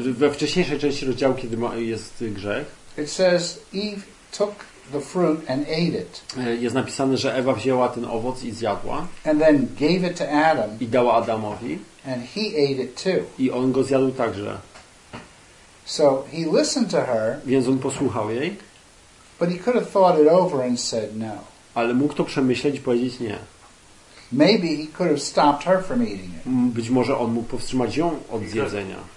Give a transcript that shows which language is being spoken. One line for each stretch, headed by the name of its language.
Polish: we wcześniejszej części rozdziału, kiedy jest grzech,
English: it says Eve took the fruit and ate it.
Polish: Jest napisane, że Ewa wzięła ten owoc i zjadła.
English: And then gave it to Adam.
Polish: I dała Adamowi.
English: And he ate it too.
Polish: I on go zjadł także.
English: So he listened to her.
Polish: Więc on posłuchał jej.
English: But he could have thought it over and said no.
Polish: Ale mógł to przemyśleć i powiedzieć nie.
English: Maybe he could have stopped her from eating it.
Polish: Być może on mógł powstrzymać ją od zjedzenia.